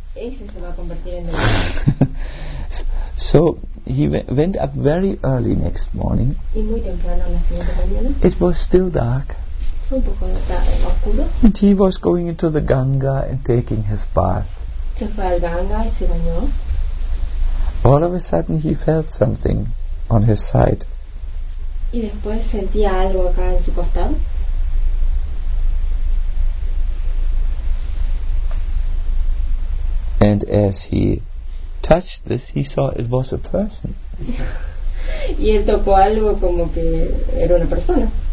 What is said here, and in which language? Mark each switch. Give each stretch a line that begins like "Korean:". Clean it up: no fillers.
Spanish: Ese se va a convertir en devoto.
English: So he went up very early next morning.
Spanish: Y muy temprano la siguiente mañana.
English: It was still dark.
Spanish: Fue un poco oscuro.
English: And he was going into the Ganga and taking his bath.
Spanish: Se fue al Ganga y se bañó.
English: All of a sudden he felt something on his side.
Spanish: Y después sentía algo acá en su costado.
English: And as he touched this, he saw it was a person.
Spanish: Y él tocó algo como que era una persona.